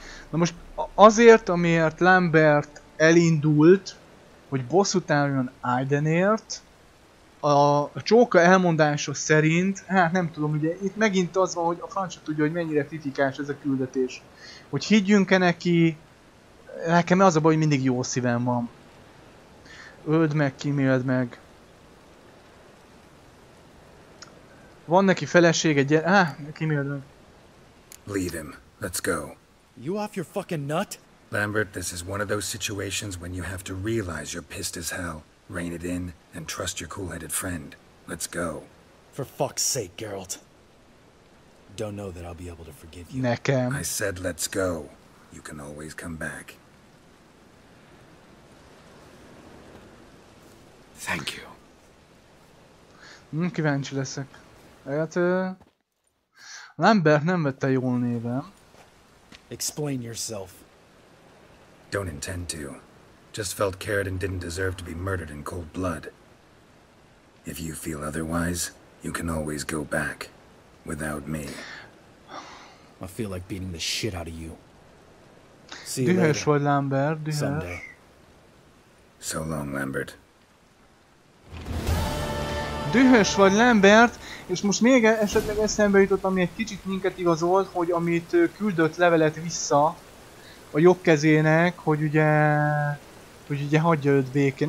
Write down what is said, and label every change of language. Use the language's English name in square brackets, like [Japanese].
[Hungarian] Na most azért, amiért Lambert elindult, hogy bosszút álljon Aidenért, a csóka elmondása szerint, hát nem tudom, ugye itt megint az van, hogy a franc se tudja, hogy mennyire kritikás ez a küldetés. Hogy higgyünk-e neki, nekem az a baj, hogy mindig jó szívem van. Öld meg, kimélt meg. Van neki felesége, kimélt meg. [English] Leave him, let's go. You off your fucking nut? Lambert, this is one of those situations when you have to realize you're pissed as hell. Rein it in and trust your cool-headed friend. Let's go. For fuck's sake, Geralt. Don't know that I'll be able to forgive you. [Hungarian] Nekem. [English] I said let's go. You can always come back. Thank you. [Hungarian] Kíváncsi leszek. Hát, Lambert nem vette jól névem. [English] Explain yourself. Don't intend to. Just felt Carradine didn't deserve to be murdered in cold blood. If you feel otherwise, you can always go back. Without me. I feel like beating the shit out of you. See you later. [Hungarian] Dühös vagy, Lambert, dühös. [English] Someday. So long, Lambert. [Hungarian] Dühös vagy, Lambert, és most még esetleg eszembe jutott, ami egy kicsit minket igazolt, hogy amit küldött levelet vissza a jobb kezének, hogy ugye hagyja őt békén.